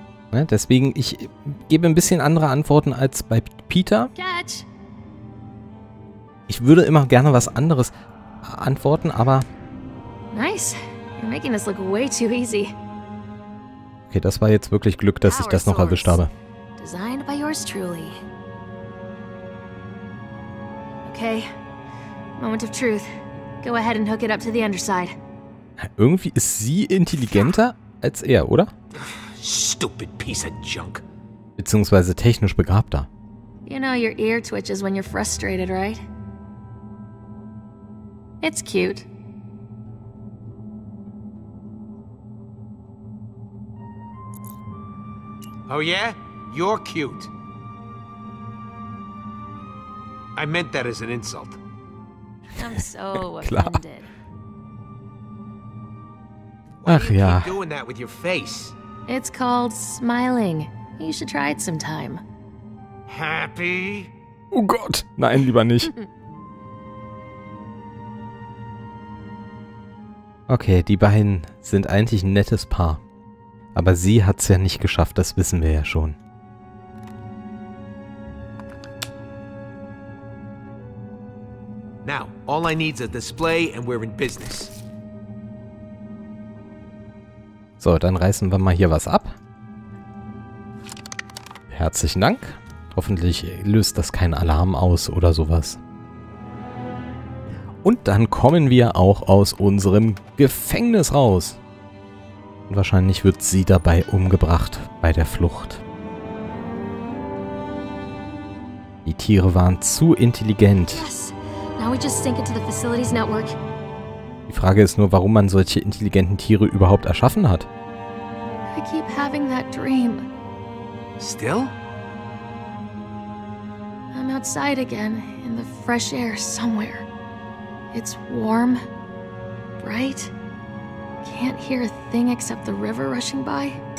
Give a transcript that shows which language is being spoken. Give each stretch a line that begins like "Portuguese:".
German: Ne, deswegen, ich gebe ein bisschen andere Antworten als bei Peter.
English: Catch.
German: Ich würde immer gerne was anderes antworten, aber...
English: Nice. You're making this look way too easy.
German: Okay, das war jetzt wirklich Glück, dass ich das noch erwischt habe.
English: Designed by yours truly. Okay. Moment of truth. Go ahead and hook it up to the underside.
German: Irgendwie ist sie intelligenter als er, oder?
English: Stupid piece of junk.
German: Beziehungsweise technisch begabter.
English: You know your ear twitches when you're frustrated, right? It's cute. Oh yeah? You're cute. I meant that as an insult. I'm so offended.
German: Ach ja.
English: Why do you keep doing that with your face? It's called smiling. You should try it sometime. Happy?
German: Oh Gott, nein, lieber nicht. Okay, die beiden sind eigentlich ein nettes Paar. Aber sie hat's ja nicht geschafft, das wissen wir ja schon.
English: Now, all I need is a display and we're in business.
German: So, dann reißen wir mal hier was ab. Herzlichen Dank. Hoffentlich löst das keinen Alarm aus oder sowas. Und dann kommen wir auch aus unserem Gefängnis raus. Und wahrscheinlich wird sie dabei umgebracht bei der Flucht. Die Tiere waren zu intelligent. Die Frage ist nur, warum man solche intelligenten Tiere überhaupt erschaffen hat.
English: I keep having that dream. Still? I'm outside again, in the fresh air somewhere. It's warm, bright. Can't hear a thing except the river rushing by.